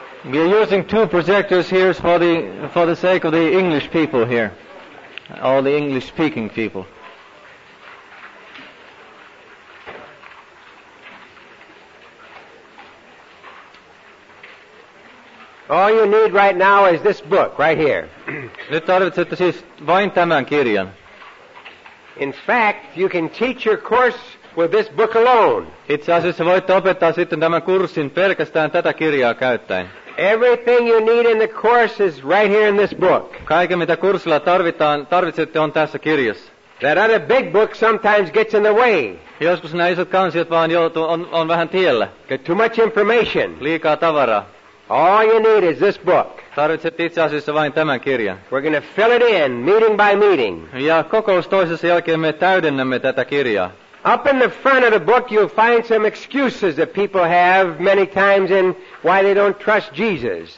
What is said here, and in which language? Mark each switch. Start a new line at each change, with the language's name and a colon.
English: We are using two projectors here for the sake of the English people here. All the English speaking people. All you need right now is this book right here.
Finnish: Nyt tarvitsette siis vain tämän kirjan.
English: In fact, you can teach your course with this book alone.
Finnish: Itse asiassa voitte opettaa sitten tämän kurssin pelkästään tätä kirjaa käyttäen.
English: Everything you need in the course is right here in this book.
Finnish: Kaiken mitä kurssilla tarvitsette on tässä kirjassa.
English: That other big book sometimes gets in the way.
Finnish: Joskus nämä isot kansiot vaan on vähän tiellä.
English: Get too much information.
Finnish: Liikaa tavaraa.
English: All you need is this book.
Finnish: Tarvitset itse asiassa vain tämän kirjan.
English: We're going to fill it in meeting by meeting.
Finnish: Ja kokous toisessa jälkeen me täydennämme tätä kirjaa.
English: Up in the front of the book you'll find some excuses that people have many times in why they don't trust Jesus.